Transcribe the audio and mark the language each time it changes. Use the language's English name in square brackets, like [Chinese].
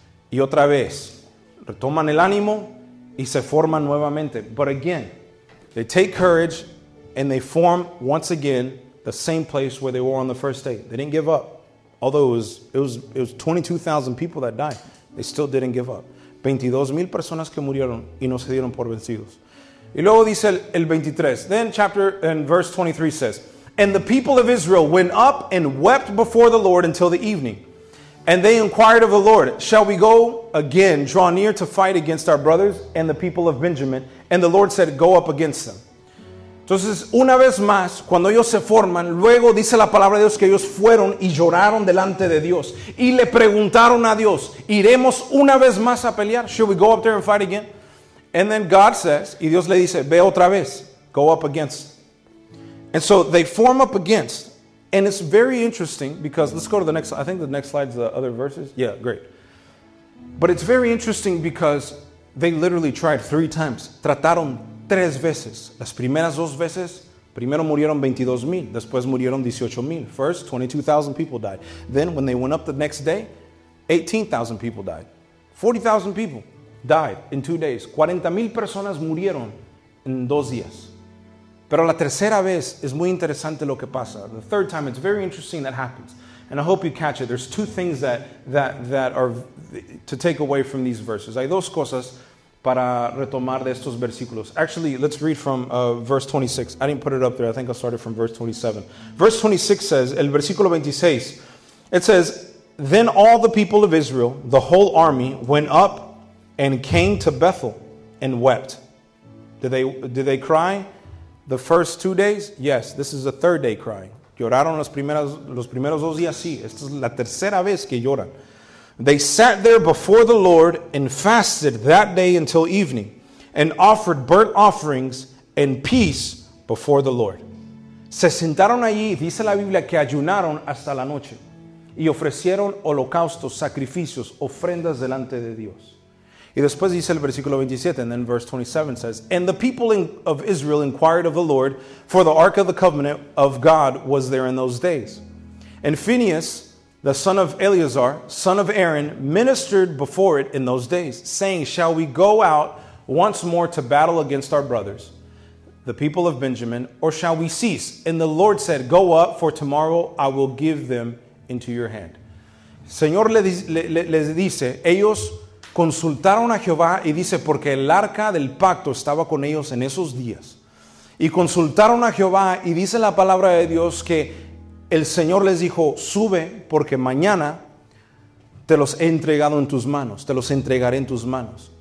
[Spanish] Y otra vez, retoman el ánimo y se forman nuevamente. [English] But again, they take courage and they form once again the same place where they were on the first day. They didn't give up. Although it was 22,000 people that died, they still didn't give up. [Spanish] 22,000 personas que murieron y no se dieron por vencidos. Y luego dice el 23. [English] Then chapter and verse 23 says, and the people of Israel went up and wept before the Lord until the evening. And they inquired of the Lord, shall we go again, draw near to fight against our brothers and the people of Benjamin? And the Lord said, go up against them. [Spanish] Entonces, una vez más, cuando ellos se forman, luego dice la palabra de Dios que ellos fueron y lloraron delante de Dios. Y le preguntaron a Dios, ¿iremos una vez más a pelear? [English] Should we go up there and fight again? And then God says, [Spanish] y Dios le dice, ve otra vez. [English] go up against. And so they form up against. And it's very interesting because, let's go to the next, I think the next slide is the other verses. Yeah, great. But it's very interesting because they literally tried three times. [Spanish] Trataron tres veces. Las primeras dos veces, primero murieron 22,000. Después murieron 18,000. [English] First, 22,000 people died. Then when they went up the next day, 18,000 people died. 40,000 people died in 2 days. [Spanish] 40,000 personas murieron en dos días. Pero la tercera vez es muy interesante lo que pasa. [English] The third time, it's very interesting that happens. And I hope you catch it. There's two things that are to take away from these verses. [Spanish] Hay dos cosas para retomar de estos versículos. [English] Actually, let's read from verse 26. I didn't put it up there. I think I started from verse 27. Verse 26 says, [Spanish] el versículo 26, [English] it says, then all the people of Israel, the whole army, went up and came to Bethel and wept. Did they cry? The first 2 days, yes, this is the third day crying. [Spanish] Lloraron los primeros dos días, sí. Esta es la tercera vez que lloran. [English] They sat there before the Lord and fasted that day until evening and offered burnt offerings and peace before the Lord. [Spanish] Se sentaron allí, dice la Biblia, que ayunaron hasta la noche y ofrecieron holocaustos, sacrificios, ofrendas delante de Dios. Y después dice el versículo 27, [English] and then verse 27 says, and the people of Israel inquired of the Lord, for the ark of the covenant of God was there in those days. And Phinehas, the son of Eleazar, son of Aaron, ministered before it in those days, saying, shall we go out once more to battle against our brothers, the people of Benjamin, or shall we cease? And the Lord said, go up, for tomorrow I will give them into your hand. [Spanish] Señor les dice, ellos consultaron a Jehová y dice, porque el arca del pacto estaba con ellos en esos días. Y consultaron a Jehová y dice la palabra de Dios que el Señor les dijo, sube porque mañana te los he entregado en tus manos, te los entregaré en tus manos.